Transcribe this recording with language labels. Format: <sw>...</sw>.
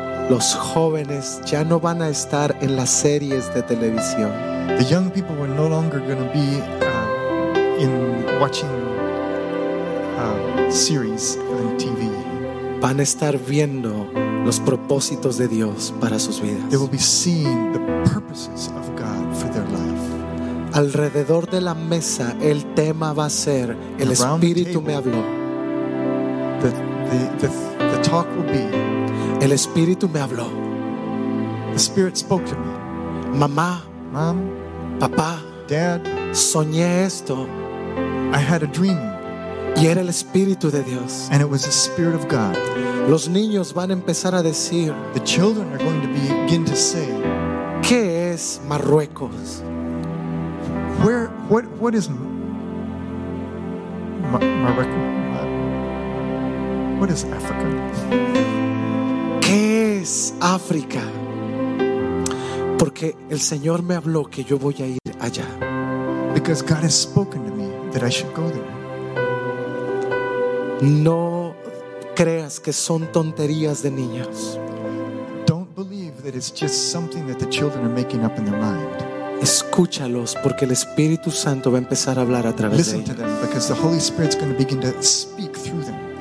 <es>Los jóvenes ya no van a estar en las series de televisión.</es> <en>The young people were no longer going to be in watching series on TV.</en> <es>Van a estar viendo los propósitos de Dios para sus vidas.</es> <en>They will be seeing the purposes of God for their life.</en> <es>Alrededor de la mesa, el tema va a ser el Espíritu me habló.</es> <en>The talk will be</en> <es>el Espíritu me habló.</es> <en>The Spirit spoke to me.</en> <es>Mamá,</es> <en>Mom,</en> <es>Papá,</es> <en>Dad,</en> <es>soñé esto.</es> <en>I had a dream.</en> <es>Y era el Espíritu de Dios.</es> <en>And it was the Spirit of God.</en> <es>Los niños van a empezar a decir,</es> <en>the children are going to begin to say,</en> <es>¿qué es Marruecos?</es> <en>Where, what is Marruecos? What is Africa?</en> <es>¿Qué es África? Porque el Señor me habló que yo voy a ir allá.</es> <en>Because God has spoken to me that I should go there.</en> <es>No creas que son tonterías de niños.</es> <en>Don't believe that it's just something that the children are making up in their mind.</en> <es>Escúchalos, porque el Espíritu Santo va a empezar a hablar a través de ellos.</es> <en>Listen to them, because the Holy Spirit's going to begin to speak through them.</en>